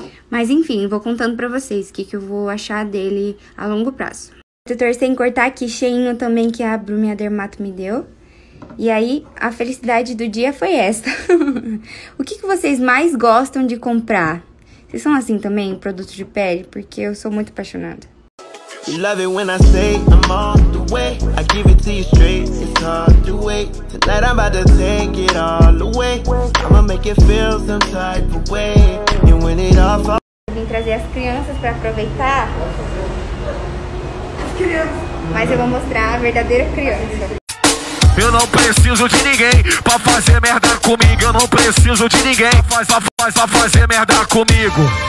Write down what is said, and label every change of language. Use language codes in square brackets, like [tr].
[pt] Mas enfim, vou contando pra vocês o que, que eu vou achar dele a longo prazo. Protetor sem cortar aqui, cheinho também, que a Brumia Dermato me deu. E aí, a felicidade do dia foi essa. O que, que vocês mais gostam de comprar? Vocês são assim também, produto de pele? Porque eu sou muito apaixonada. [en] You love it when I say I'm on the way. I give it to you straight, it's hard to wait. Tonight I'm about to take it all away. I'ma make it feel some type of way. And when it all... [pt] Vim trazer as crianças pra aproveitar. As crianças. Mas eu vou mostrar a verdadeira criança. Eu não preciso de ninguém pra fazer merda comigo. Eu não preciso de ninguém pra fazer merda comigo.